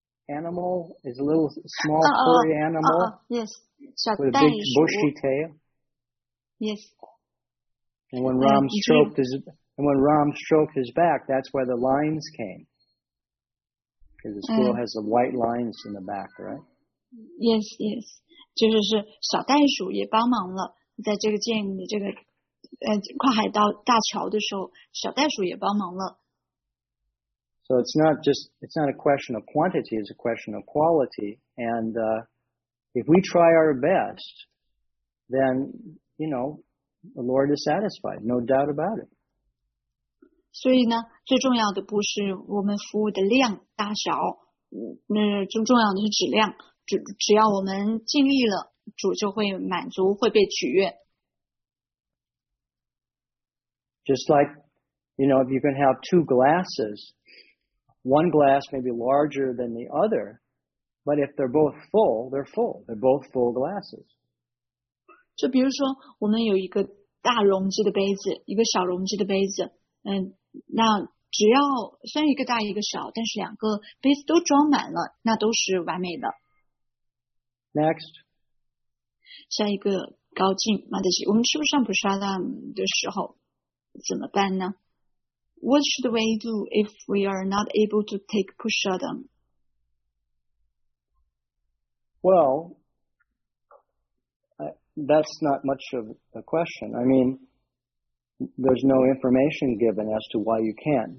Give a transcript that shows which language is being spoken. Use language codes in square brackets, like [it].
[en] animal is a little small furry animal with a big bushy tail. Yes. And when Ram stroked his back, that's where the lines came. Because the squirrel has the white lines in the back, right? Yes, yes. [zh] 就是是小袋鼠也帮忙了，在这个建立这个跨海道大桥的时候，小袋鼠也帮忙了。 [en] So it's not a question of quantity, it's a question of quality. And, if we try our best, then, you know, the Lord is satisfied, no doubt about it. [zh] 所以呢，最重要的不是我们服务的量大小，最重要的是质量。只要我们尽力了，主就会满足，会被取悦。 [en] Just like, you know, if you can have two glasses,One glass may be larger than the other, but if they're both full, they're full. They're both full glasses. [zh] 就比如说我们有一个大容积的杯子，一个小容积的杯子，那只要虽然一个大一个小，但是两个杯子都装满了，那都是完美的。 [en] Next. [zh] 下一个高进马德吉，我们吃不上普沙拉的时候怎么办呢？ [en] What should we do if we are not able to take prasadam? Well, that's not much of a question. I mean, there's no information given as to why you can't.